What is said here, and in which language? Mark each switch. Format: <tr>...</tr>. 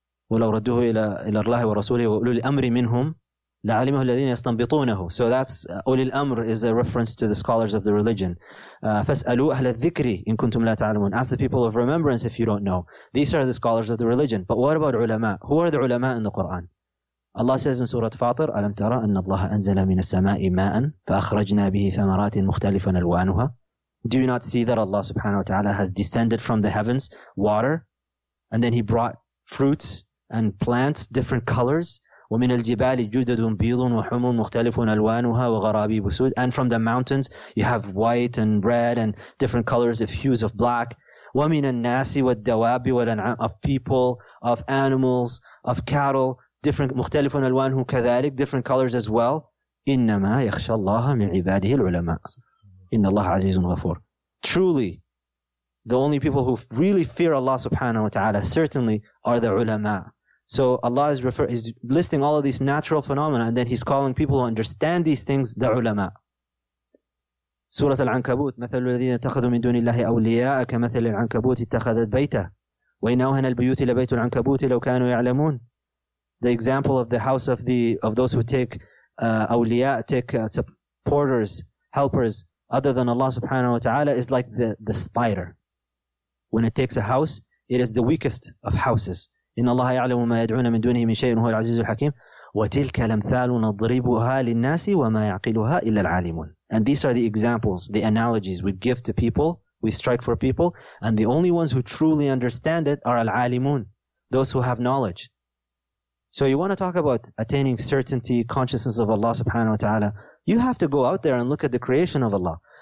<ar>ولو ردوه إلى الله ورسوله وأولي الأمر منهم لعلمه الذين يستنبطونه.</ar> <en>So that's</en> <ar>أولي الأمر</ar> <en>is a reference to the scholars of the religion.</en> <ar>فاسألوا أهل الذكر إن كنتم لا تعلمون.</ar> <en>Ask the people of remembrance if you don't know. These are the scholars of the religion. But what about علماء? Who are the علماء in the Quran? Allah says in Surah Fatir,</en> <ar>ألم ترى أن الله أنزل من السماء ماء فأخرجنا به ثمرات مختلفة ألوانها.</ar> <en>Do you not see that Allah subhanahu wa ta'ala has descended from the heavens water, and then he brought fruits and plants, different colors?</en> <ar>وَمِنَ الْجِبَالِ جُدَدٌ بِيضٌ وَحُمٌ مُخْتَلِفٌ أَلْوَانُهَا وَغَرَابِيبُ سُودٌ.</ar> <en>And from the mountains, you have white and red and different colors of hues of black.</en> <ar>وَمِنَ النَّاسِ وَالدَّوَابِ وَالْأَنْعَامِ.</ar> <en>Of people, of animals, of cattle, different</en> <ar>مُخْتَلِفٌ أَلْوَانُهُ كَذَلِكَ.</ar> <en>Different colors as well.</en> <ar>إِنَّمَا يَخْشَى اللَّهَ مِنْ عِبَادِهِ الْعُلَمَاءِ. إِنَّ اللَّهَ عَزِيزٌ غَفُورٌ.</ar> <en>Truly, the only people who really fear Allah subhanahu wa ta'ala certainly are the ulama. So Allah is is listing all of these natural phenomena, and then he's calling people who understand these things the ulama.</en> <ar>Surah Al-Ankabut, مثل الذين اتخذوا من دون الله أولياء كمثل العنكبوت اتخذت بيته وإن أوهن البيوت لبيت العنكبوت لو كانوا يعلمون.</ar> <en>The example of the house of those who take أولياء, take supporters, helpers other than Allah subhanahu wa ta'ala is like the spider. When it takes a house, it is the weakest of houses.</en> <ar>إن الله يعلم ما يدعون من دونه من شيء وهو العزيز الحكيم وتلك الأمثال نضربها للناس وما يعقلها إلا العالمون.</ar> <en>And these are the examples, the analogies we give to people, we strike for people, and the only ones who truly understand it are العالمون, those who have knowledge. So you want to talk about attaining certainty, consciousness of Allah subhanahu wa ta'ala, you have to go out there and look at the creation of Allah.</en>